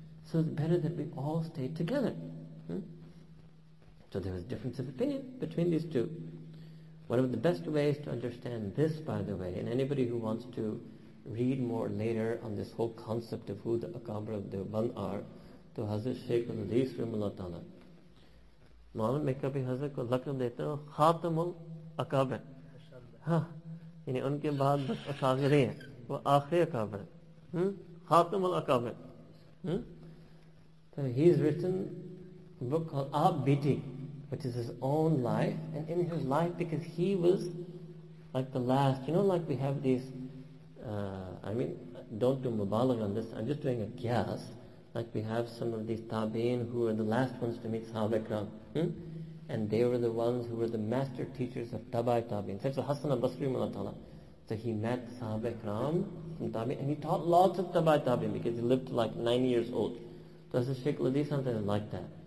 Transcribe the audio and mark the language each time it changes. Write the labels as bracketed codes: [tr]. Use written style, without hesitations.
[en] So it's better that we all stay together. So there was a difference of opinion between these two. One of the best ways to understand this, by the way, and anybody who wants to read more later on this whole concept of who the Akabar of Deoband are, to Hazrat Shaykh al-Hadith Rahimahullah Ta'ala. [ur] محمد مکابی حضرت کو لقب دیتا ہو، خاتم الاکابر۔ یعنی ان کے بعد بس اکابر ہے، وہ آخری اکابر ہے۔ خاتم الاکابر۔ [en] So he's written a book called Aap Biti, which is his own life, and in his life, because he was like the last, you know, like we have these, don't do mubalagh on this, I'm just doing a qiyas, like we have some of these tabi'in who were the last ones to meet Sahaba Ikram, and they were the ones who were the master teachers of tabi'i tabi'in, such as Hassan al-Basri, so he met Sahaba Ikram from tabi'in, and he taught lots of tabi'i tabi'in, because he lived like 9 years old, so as a Sheikh Ladi, something like that.